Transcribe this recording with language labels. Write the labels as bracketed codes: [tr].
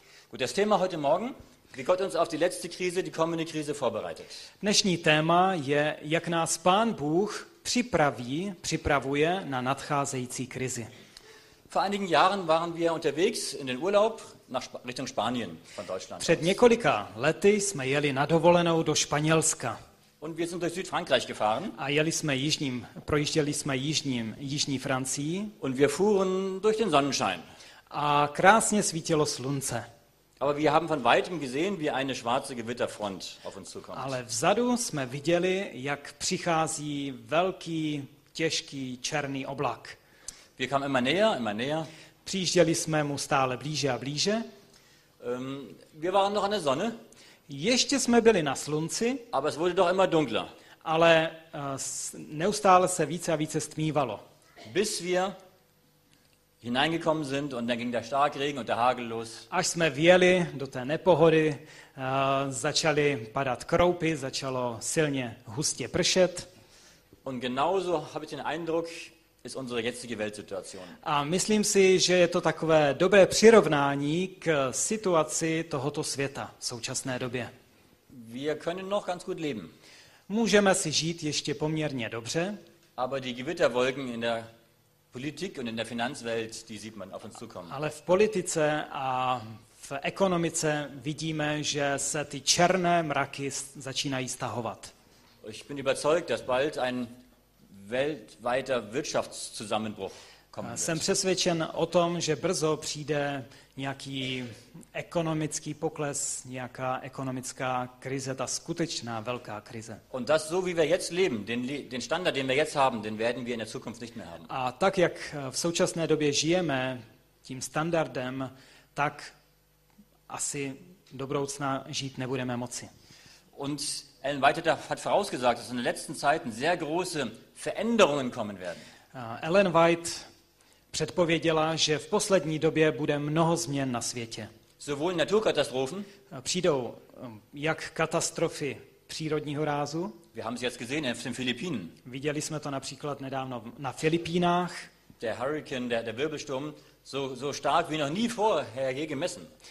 [de] Gut, das Thema heute Morgen, wie Gott uns auf die letzte Krise, die kommende Krise vorbereitet. [cs] Dnešní téma je, jak nás Pán Bůh připravuje na nadcházející krizi. [de] Vor einigen Jahren waren wir unterwegs in den Urlaub nach Richtung Spanien von Deutschland. [cs] Před několika lety jsme jeli na dovolenou do Španělska. [de] Und wir sind durch Südfrankreich gefahren. [cs] A projížděli jsme jižní Francii. [de] Und wir fuhren durch den Sonnenschein. [cs] A krásně svítilo slunce. [de] Aber wir haben von weitem gesehen, wie eine schwarze Gewitterfront auf uns zukommt. [cs] Ale vzadu jsme viděli, jak přichází velký, těžký, černý oblak. [de] Wir kamen immer näher, immer näher. [cs] Přijížděli jsme mu stále blíže a blíže. [de] Wir waren noch an der Sonne. [cs] Ještě jsme byli na slunci. [de] Aber es wurde doch immer dunkler. [cs] Ale neustále se více a více stmívalo. [de] Bis wir hineingekommen sind und dann ging der Starkregen und der Hagel los. [cs] Až jsme vjeli do té nepohody, začaly padat kroupy, začalo silně hustě pršet. [de] Und genauso habe ich den Eindruck, ist unsere jetzige Weltsituation. [cs] A myslím si, že je to takové dobré přirovnání k situaci tohoto světa v současné době. [de] Wir können noch ganz gut leben. [cs] Můžeme si žít ještě poměrně dobře. [de] Aber die Gewitterwolken in der Politik und in der Finanzwelt, die sieht man auf uns zukommen. [cs] Ale v politice a v ekonomice vidíme, že se ty černé mraky začínají stahovat. [de] Ich bin überzeugt, dass bald ein weltweiter Wirtschaftszusammenbruch kommen wird. [cs] Jsem přesvědčen o tom, že brzo přijde nějaký ekonomický pokles, nějaká ekonomická krize, ta skutečná velká krize. [de] Und das so wie wir jetzt leben, den Standard, den wir jetzt haben, den werden wir in der Zukunft nicht mehr haben. [cs] A tak jak v současné době žijeme tím standardem, tak asi do budoucna žít nebudeme moci. [de] Und Ellen White hat vorausgesagt, dass in den letzten Zeiten sehr große Veränderungen kommen werden. [cs] Ellen White předpověděla, že v poslední době bude mnoho změn na světě. [de] Sowohl Naturkatastrophen, [cs] přijdou jak katastrofy přírodního rázu. [de] Wir haben es jetzt gesehen auf den Philippinen. [cs] Viděli jsme to například nedávno na Filipínách. [de] Der Hurricane, der Wirbelsturm, so stark wie noch nie vorher je gemessen.